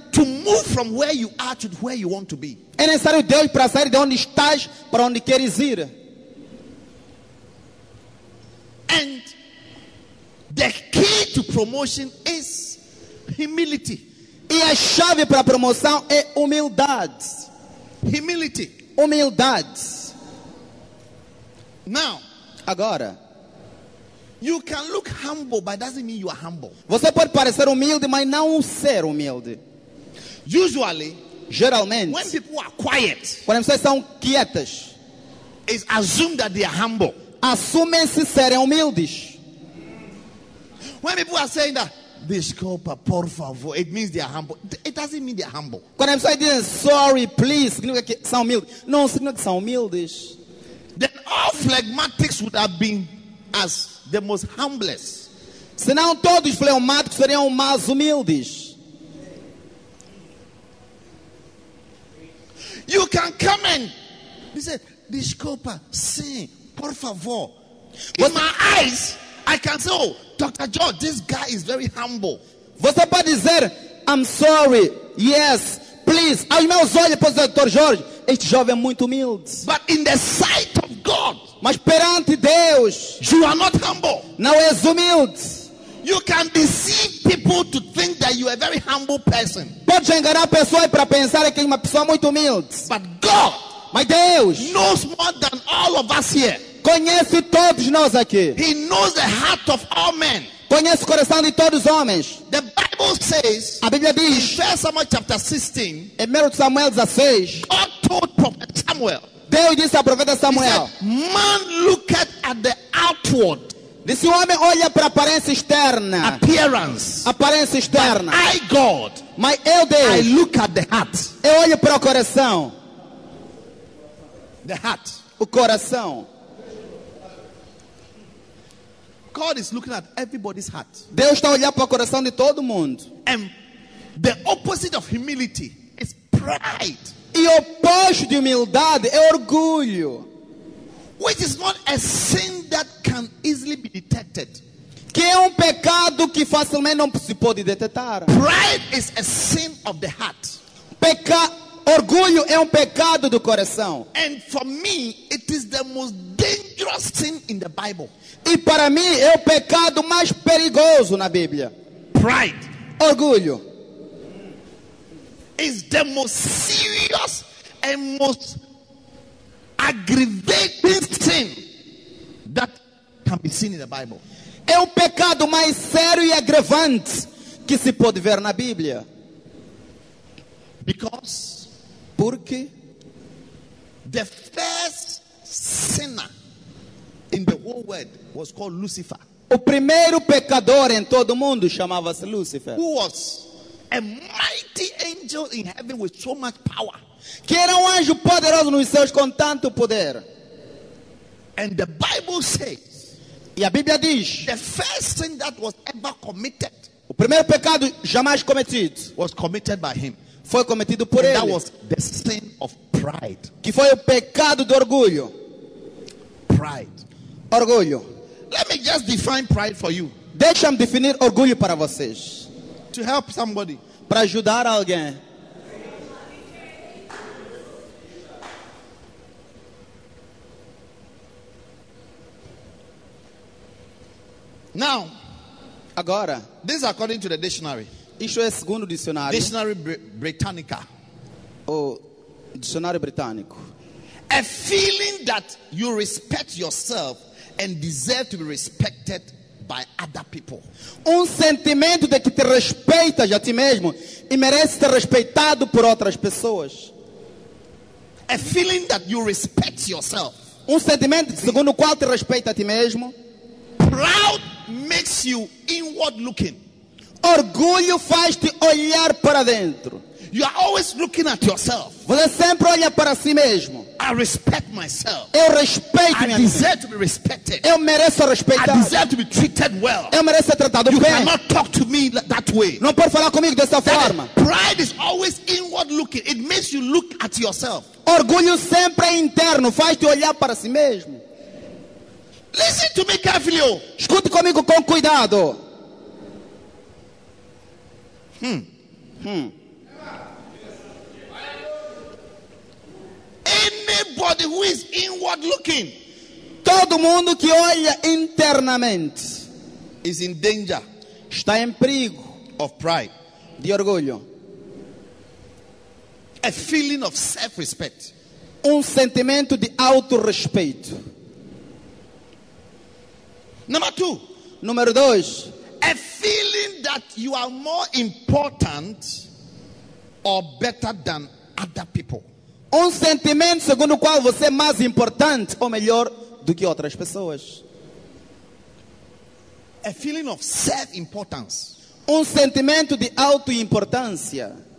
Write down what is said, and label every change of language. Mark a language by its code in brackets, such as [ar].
[en] to move from where you are to where you want to be. [pt] É necessário Deus para sair de onde estás para onde queres ir. [en] And the key to promotion is humility. [pt] E a chave para a promoção é humildade. [en] Humility. [pt] Humildade. [en] Now, [pt] agora. [en] You can look humble, but it doesn't mean you are humble. [pt] Você pode parecer humilde, mas não ser humilde. [en] Usually, [pt] geralmente, [en] when people are quiet, [pt] quando as pessoas são quietas, [en] it's assumed that they are humble. [pt] Assumem-se serem humildes. [en] When people are saying that [pt] Desculpa, por favor. [en] It means they are humble. It doesn't mean they are humble. [pt] Quando a pessoa diz, sorry, please, significa que são humildes. Não, significa que são humildes. [en] Then all phlegmatics would have been as the most humblest. [pt] Senão todos fleumáticos seriam mais humildes. [en] You can come and he said, [pt] desculpa, sim, por favor. [en] With my eyes, I can say, oh, Dr. George, this guy is very humble. [pt] Você pode dizer, [en] I'm sorry, yes, please. [pt] Aos meus olhos, pois, Dr. George, este jovem é muito humilde. [en] But in the sight of God, [pt] mas perante Deus, [en] you are not humble. [pt] Não és humilde. [en] You can deceive people to think that you are a very humble person. [pt] Pode enganar pessoas para pensar que é uma pessoa muito humilde. [en] But God, [pt] my Deus, [en] knows more than all of us here. [pt] Conhece todos nós aqui. [en] He knows the heart of all men. [pt] Conhece o coração de todos os homens. [en] The Bible says, [pt] a Bíblia diz, [en] in 1 Samuel chapter 16, [pt] em 1 Samuel 16, [en] God told prophet Samuel. [pt] Deus disse ao profeta Samuel. [en] He said, man looketh at the outward. [pt] Disse o homem olha para a aparência externa. [en] Appearance. [pt] Aparência externa. [en] But I God. [pt] Mas eu Deus. [en] I look at the heart. [pt] Eu olho para o coração. [en] The heart. [pt] O coração. [en] God is looking at everybody's heart. [pt] Deus está olhando para o coração de todo mundo. [en] And the opposite of humility is pride. [pt] E o oposto de humildade é orgulho. [en] Which is not a sin that can easily be detected. [pt] Que é pecado que facilmente não se pode detectar. [en] Pride is a sin of the heart. [pt] Orgulho é pecado do coração. [en] And for me, it is the most dangerous sin in the Bible. [pt] E para mim é o pecado mais perigoso na Bíblia. [en] Pride. [pt] Orgulho. [en] Is the most serious and most aggravating sin that can be seen in the Bible. [pt] É o pecado mais sério e agravante que se pode ver na Bíblia. [en] Because [pt] porque [en] the first sinner in the whole world was called Lucifer. [pt] O primeiro pecador em todo mundo chamava-se Lucifer. [en] Who was a mighty angel in heaven with so much power. [pt] Que era anjo poderoso nos céus com tanto poder. [en] And the Bible says. [pt] E a Bíblia diz. [en] The first sin that was ever committed. [pt] O primeiro pecado jamais cometido. [en] Was committed by him. [pt] Foi cometido por [en] and [pt] ele. [en] That was the sin of pride. [pt] Que foi o pecado do orgulho. [en] Pride. [pt] Orgulho. [en] Let me just define pride for you. [pt] Deixa-me definir orgulho para vocês. [en] To help somebody. [pt] Para ajudar alguém. [en] Now. [pt] Agora. [en] This is according to the dictionary. [pt] Isso é segundo o dicionário. [en] Dictionary Britannica. [pt] Oh, dicionário britânico. [en] A feeling that you respect yourself and deserve to be respected by other people. [pt] Sentimento de que te respeitas a ti mesmo e mereces ser respeitado por outras pessoas. [en] A feeling that you respect yourself. [pt] Sentimento segundo o qual te respeita a ti mesmo. [en] Proud makes you inward looking. [pt] Orgulho faz-te olhar para dentro. [en] You are always looking at yourself. [pt] Você sempre olha para si mesmo. [en] I respect myself. [pt] Eu respeito. [en] I deserve to be respected. [pt] Eu mereço respeitar. [en] I deserve to be treated well. [pt] Eu mereço ser tratado [en] you [pt] bem. [en] You cannot talk to me that way. [pt] Não pode falar comigo dessa [en] that [pt] forma. [en] Pride is always inward looking. It makes you look at yourself. [pt] Orgulho sempre é interno, faz-te olhar para si mesmo. [en] Listen to me carefully. [pt] Escute comigo com cuidado. [en] Anybody who is inward looking, [pt] todo mundo que olha internamente, [en] is in danger, [pt] está em perigo, [en] of pride, [pt] de orgulho, [en] a feeling of self-respect, [pt] sentimento de auto-respeito. [en] Number two, [pt] número dois, [en] a feeling that you are more important or better than other people. [pt] Sentimento segundo o qual você é mais importante ou melhor do que outras pessoas. [en] A feeling of self-importance. [pt] sentimento de autoimportância.